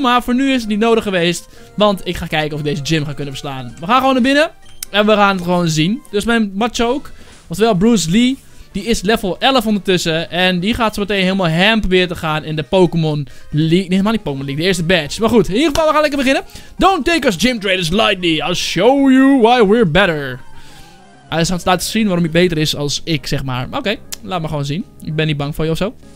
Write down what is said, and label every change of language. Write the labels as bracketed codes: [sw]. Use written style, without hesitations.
[nl] Maar voor nu is het niet nodig geweest. Want ik ga kijken of ik deze gym ga kunnen verslaan. We gaan gewoon naar binnen. En we gaan het gewoon zien. Dus mijn Machoke, oftewel Bruce Lee, die is level 11 ondertussen. En die gaat zo meteen helemaal hem proberen te gaan in de Pokémon League. Nee, helemaal niet Pokémon League, de eerste badge. Maar goed, in ieder geval, we gaan lekker beginnen. [en] Don't take us gym traders lightly, I'll show you why we're better. [nl] Hij is aan het laten zien waarom hij beter is als ik, zeg maar. Oké, laat maar gewoon zien. Ik ben niet bang voor je ofzo.